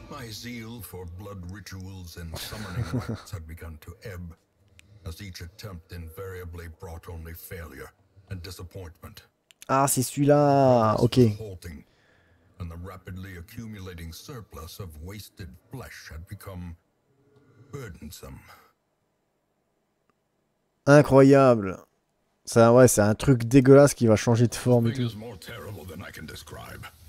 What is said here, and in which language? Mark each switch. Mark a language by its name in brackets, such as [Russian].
[English] Zeal for blood rituals and summoning rites had begun to ebb, as each attempt invariably brought only failure and disappointment. [French] Ah, c'est celui-là. Ok. [English] Halting, and the rapidly accumulating surplus of wasted flesh had become burdensome. [French] Incroyable. Ça, ouais, c'est un truc dégueulasse qui va changer de forme. [English] This thing is more terrible than I can describe.